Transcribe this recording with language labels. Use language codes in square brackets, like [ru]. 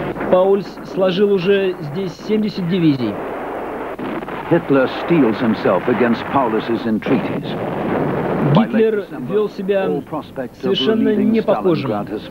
[ru] Паульс сложил уже здесь 70 дивизий. [en] Hitler steels himself against Paulus's entreaties. [ru] Гитлер вел себя совершенно непохожим.